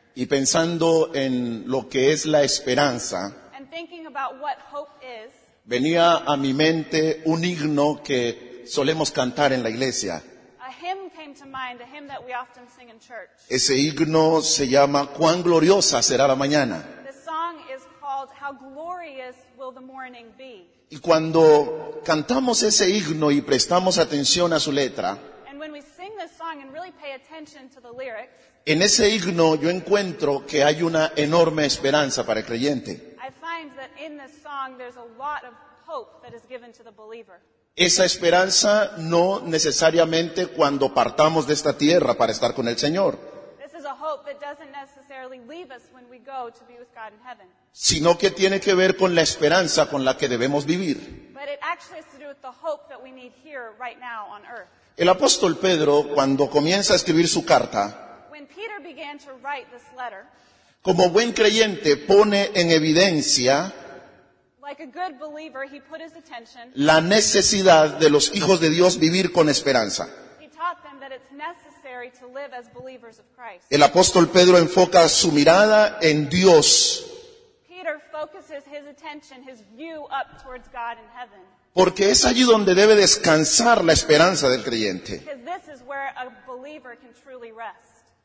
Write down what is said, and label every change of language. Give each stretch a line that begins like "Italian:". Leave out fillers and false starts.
Spanish: y pensando en lo que es la esperanza,
English: and thinking about what hope is,
Spanish: venía a mi mente un himno que solemos cantar en la iglesia.
English: A hymn came to mind, a hymn that we often sing in church.
Spanish: Ese himno se llama Cuán gloriosa será la mañana.
English: The song is called How glorious will the morning be.
Spanish: Y cuando cantamos ese himno y prestamos atención a su letra,
English: and when we sing this song and really pay attention to the lyrics,
Spanish: en ese himno yo encuentro que hay una enorme esperanza para el creyente.
English: I find that in this song there's a lot of hope that is given to the believer.
Spanish: Esa esperanza no necesariamente cuando partamos de esta tierra para estar con el Señor.
English: This is a hope that doesn't necessarily leave us when we go to be with God in heaven.
Spanish: Sino que tiene que ver con la esperanza con la que debemos vivir.
English: But it actually has to do with the hope that we need here right now on earth.
Spanish: El apóstol Pedro, cuando comienza a escribir su carta,
English: when Peter began to write this letter,
Spanish: como buen creyente pone en evidencia
English: like a good believer, he put his attention,
Spanish: la necesidad de los hijos de Dios vivir con esperanza.
English: He taught them that it's necessary to live as believers of Christ.
Spanish: El apóstol Pedro enfoca su mirada en Dios.
English: Peter focuses his attention, his view up towards God in heaven.
Spanish: Porque es allí donde debe descansar la esperanza del creyente.
English: Because this is where a believer can truly rest.